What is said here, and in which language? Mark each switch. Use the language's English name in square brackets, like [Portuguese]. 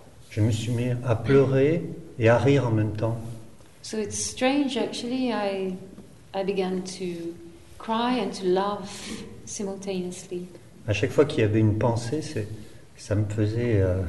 [French] Je me suis mis à pleurer et à rire en même temps. [English] So it's strange, actually. I began to cry and to laugh simultaneously. [French] À chaque fois qu'il y avait une pensée, ça me faisait.